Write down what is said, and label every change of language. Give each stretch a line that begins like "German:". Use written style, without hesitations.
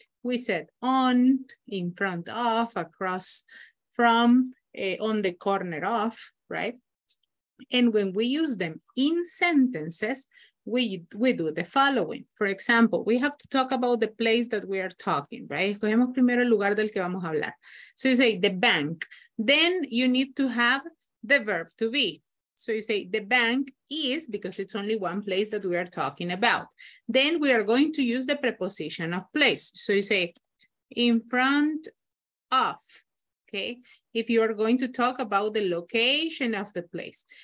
English: We said on, in front of, across, from, on the corner of, right? And when we use them in sentences, we do the following. For example, we have to talk about the place that we are talking, right?
Spanish: Escogemos primero el lugar del que vamos a hablar.
English: So you say the bank. Then you need to have the verb to be. So you say the bank is, because it's only one place that we are talking about. Then we are going to use the preposition of place. So you say in front of. Okay, if you are going to talk about the location of the place.